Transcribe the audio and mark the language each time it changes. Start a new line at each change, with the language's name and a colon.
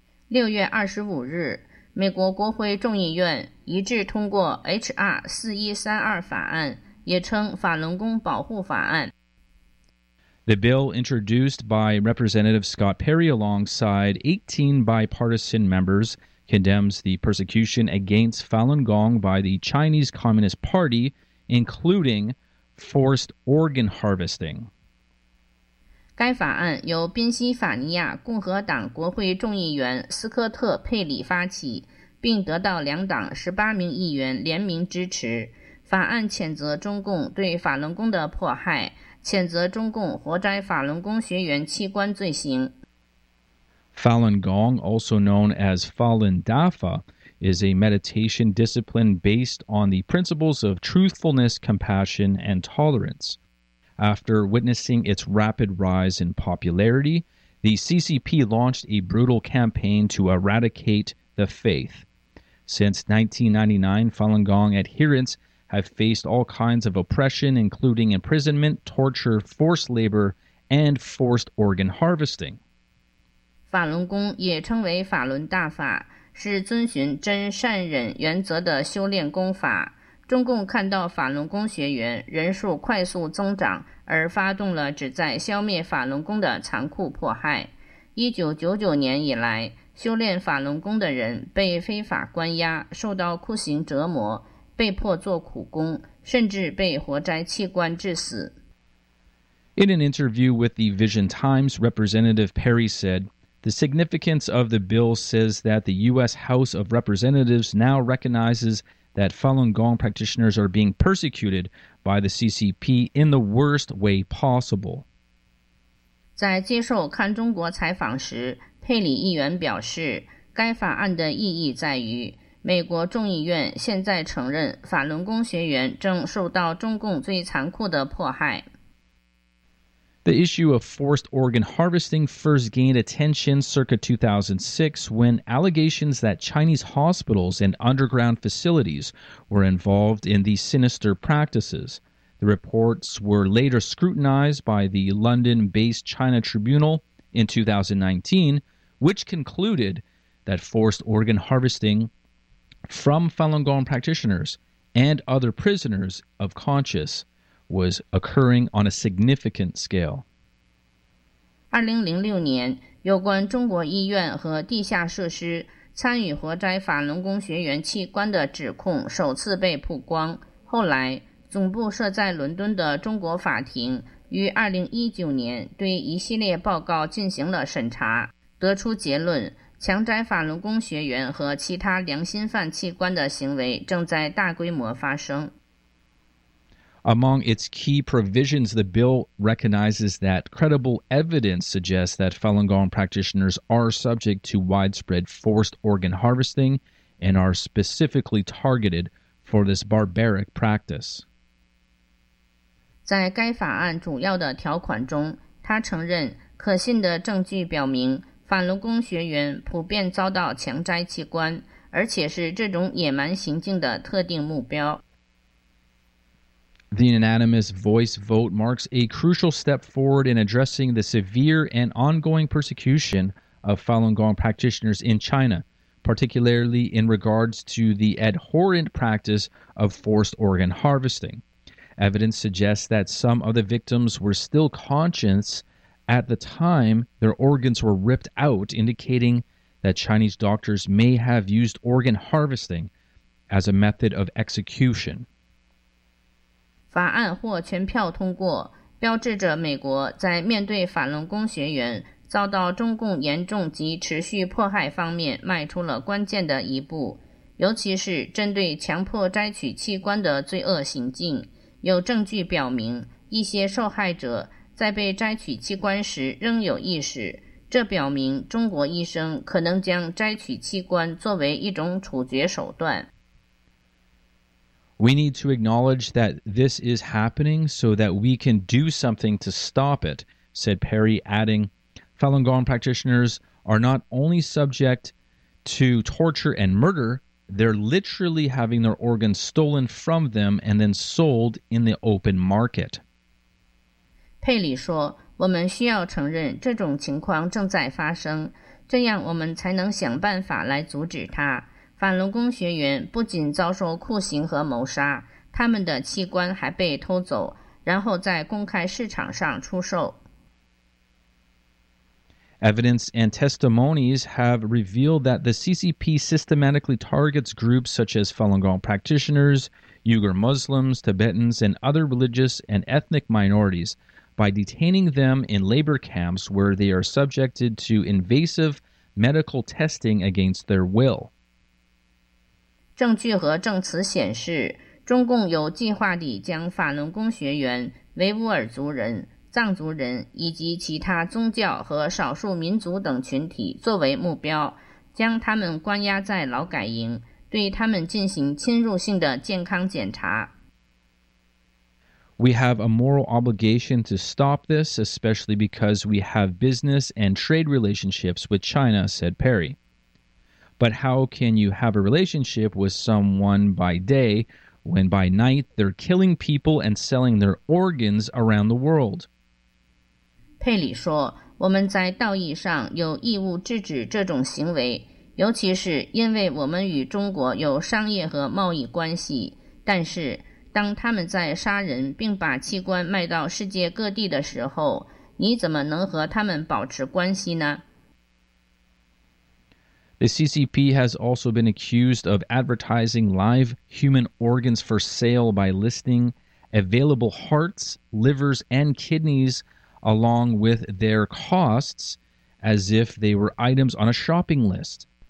Chinese: 6月25日，美国国会众议院一致通过 H.R. 4132法案，也称法轮功保护法案。
English: The bill introduced by Representative Scott Perry alongside 18 bipartisan members condemns the persecution against Falun Gong by the Chinese Communist Party, including forced organ harvesting.
Chinese: 该法案由宾夕法尼亚共和党国会众议员斯科特·佩里发起，并得到两党18名议员联名支持。法案谴责中共对法轮功的迫害，谴责中共活摘法轮功学员器官罪行。
English: Falun Gong, also known as Falun Dafa, is a meditation discipline based on the principles of truthfulness, compassion, and tolerance. After witnessing its rapid rise in popularity, the CCP launched a brutal campaign to eradicate the faith. Since 1999, Falun Gong adherents have faced all kinds of oppression, including imprisonment, torture, forced labor, and forced organ harvesting.
Chinese: 法轮功也称为法轮大法，是遵循真善忍原则的修炼功法。中共看到法轮功学员人数快速增长，而发动了旨在消灭法轮功的残酷迫害。 1999年以来，修炼法轮功的人被非法关押，受到酷刑折磨，被迫做苦工，甚至被活摘器官致死。
English: In an interview with the Vision Times, Representative Perry said, "The significance of the bill says that the U.S. House of Representatives now recognizes that Falun Gong practitioners are being persecuted by the CCP in the worst way possible."
Chinese: 在接受看中国采访时，佩里议员表示，该法案的意义在于，美国众议院现在承认法轮功学员正受到中共最残酷的迫害。
English: The issue of forced organ harvesting first gained attention circa 2006 when allegations that Chinese hospitals and underground facilities were involved in these sinister practices. The reports were later scrutinized by the London-based China Tribunal in 2019, which concluded that forced organ harvesting from Falun Gong practitioners and other prisoners of conscience was occurring on a significant scale.
Chinese: 2006年，有关中国医院和地下设施参与活摘法轮功学员器官的指控首次被曝光。后来，总部设在伦敦的中国法庭于2019年对一系列报告进行了审查，得出结论，强摘法轮功学员和其他良心犯器官的行为正在大规模发生。
English: Among its key provisions, the bill recognizes that credible evidence suggests that Falun Gong practitioners are subject to widespread forced organ harvesting and are specifically targeted for this barbaric practice.
Chinese: 在该法案主要的条款中，他承认可信的证据表明法轮功学员普遍遭到强摘器官，而且是这种野蛮行径的特定目标。
English: The unanimous voice vote marks a crucial step forward in addressing the severe and ongoing persecution of Falun Gong practitioners in China, particularly in regards to the abhorrent practice of forced organ harvesting. Evidence suggests that some of the victims were still conscious at the time their organs were ripped out, indicating that Chinese doctors may have used organ harvesting as a method of execution.
Chinese: 法案或全票通过，标志着美国在面对法轮功学员遭到中共严重及持续迫害方面迈出了关键的一步，尤其是针对强迫摘取器官的罪恶行径。有证据表明，一些受害者在被摘取器官时仍有意识，这表明中国医生可能将摘取器官作为一种处决手段。
English: We need to acknowledge that this is happening so that we can do something to stop it, said Perry, adding, Falun Gong practitioners are not only subject to torture and murder, they're literally having their organs stolen from them and then sold in the open market.
Chinese: 佩里说，我们需要承认这种情况正在发生，这样我们才能想办法来阻止它。反劳工学员不仅遭受酷刑和谋杀，他们的器官还被偷走，然后在公开市场上出售。
English: Evidence and testimonies have revealed that the CCP systematically targets groups such as Falun Gong practitioners, Uyghur Muslims, Tibetans, and other religious and ethnic minorities by detaining them in labor camps where they are subjected to invasive medical testing against their will.
Chinese: 证据和证词显示，中共有计划地将法轮功学员、维吾尔族人、藏族人以及其他宗教和少数民族等群体作为目标，将他们关押在劳改营，对他们进行侵入性的健康检查。
English: We have a moral obligation to stop this, especially because we have business and trade relationships with China, said Perry. But how can you have a relationship with someone by day when by night they're killing people and selling their organs around the world?
Chinese: 佩里说，我们在道义上有义务制止这种行为，尤其是因为我们与中国有商业和贸易关系，但是当他们在杀人并把器官卖到世界各地的时候，你怎么能和他们保持关系呢？
English: The CCP has also been accused of advertising live human organs for sale by listing available hearts, livers, and kidneys along with their costs as if they were items on a shopping list.